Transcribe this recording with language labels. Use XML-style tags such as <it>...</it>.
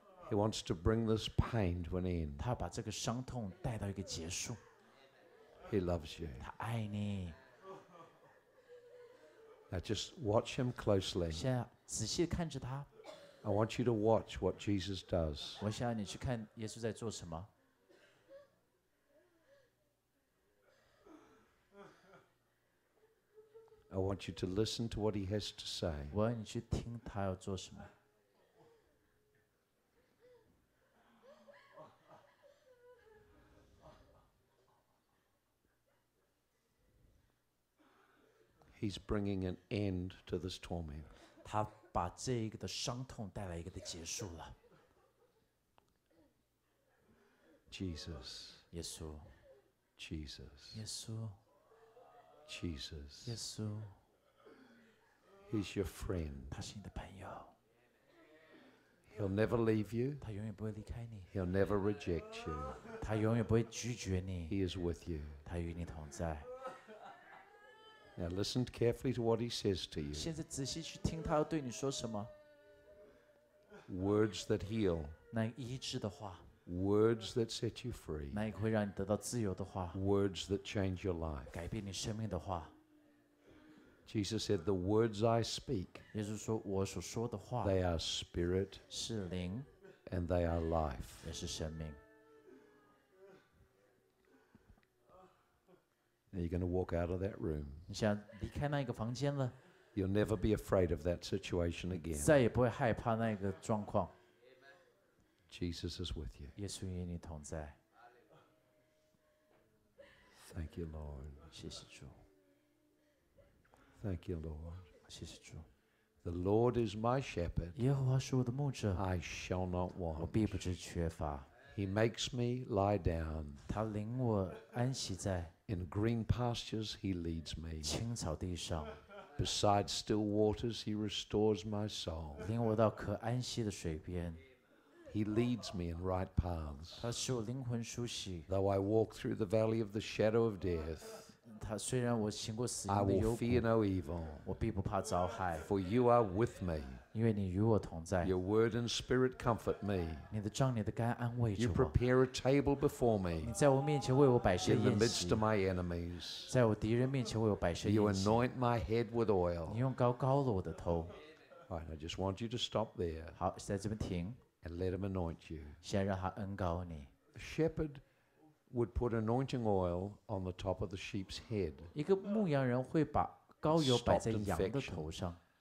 <en>he wants to bring this pain to an end.</en> <zh>他要把这个伤痛带到一个结束,</zh> <en>he loves you.</en> <zh>他爱你,</zh> <en>now just watch him closely.</en> <zh>现在仔细看着他,</zh> <en>I want you to watch what Jesus does.</en> <zh>我想要你去看耶稣在做什么,</zh> <en>I want you to listen to what he has to say.</en> <zh>我要你去听他要做什么,</zh> <en>he's bringing an end to this torment.</en> <zh>他把这个的伤痛带来一个的结束了。</zh> <en>Jesus.</en> <zh>耶稣,</zh> <en>Jesus.</en> <zh>耶稣,</zh> <en>Jesus.</en> <zh>耶稣,</zh> <en>he's your friend.</en> <zh>他是你的朋友,</zh> <en>he'll never leave you.</en> <zh>他永远不会离开你,</zh> <en>he'll never reject you.</en> <zh>他永远不会拒绝你,</zh> <en>he is with you.</en> <zh>他与你同在。</zh> <en>Now listen carefully to what he says to you.</en> <zh>现在仔细去听他要对你说什么?</zh> <en>Words that heal.</en> <zh>那医治的话,</zh> <en>words that set you free.</en> <zh>那会让你得到自由的话,</zh> <en>words that change your life.</en> <zh>改变你生命的话,</zh> <en>Jesus said, the words I speak,</en> <zh>耶稣说我所说的话,</zh> <en>they are spirit,</en> <zh>是灵,</zh> <en>and they are life.</en> <zh>也是生命。</zh> <en>You're going to walk out of that room.</en> <zh>你想离开那一个房间了,</zh> <en>you'll never be afraid of that situation again.</en> <zh>再也不会害怕那个状况,</zh> <en>Jesus is with you.</en> <zh>耶稣与你同在。</zh> <en>Thank you, Lord.</en> <zh>谢谢主。</zh> <en>Thank you, Lord.</en> <zh>谢谢主。</zh> <en>The Lord is my shepherd.</en> <zh>耶和华是我的牧者。</zh> <en>I shall not want.</en> <zh>我必不致缺乏。</zh> <en>He makes me lie down.</en> <zh>他领我安息在。</zh> <en>In green pastures, he leads me.</en> <zh>青草地上,</zh> <en>Beside still waters, he restores my soul.</en> <zh>领我到可安息的水边。</zh> <en>He leads me in right paths.</en> <zh>他使我灵魂舒息。</zh> <en>Though I walk through the valley of the shadow of death,</en> <zh>他虽然我行过死荫的幽谷,</zh> <en>I will fear no evil.</en> <zh>我必不怕遭害。</zh> <en>For you are with me.</en> <zh>因为你与我同在。</zh> <en>Your word and spirit comfort me.</en> <zh>你的杖你的肝安慰着我。</zh> <en>You prepare a table before me.</en> <zh>你在我面前为我摆设宴席。</zh> <en>In the midst of my enemies.</en> <zh>在我敌人面前为我摆设宴席。</zh> <en>You anoint my head with oil.</en> <zh>你用膏膏了我的头。</zh> <en>All right, I just want you to stop there.</en> <zh>好，在这边停。</zh> <en>And let him anoint you.</en> <zh>先让他恩膏你。</zh> <en>A shepherd would put anointing oil on the top of the sheep's head.</en> <zh>一个牧羊人会把膏油摆在羊的头上。</zh>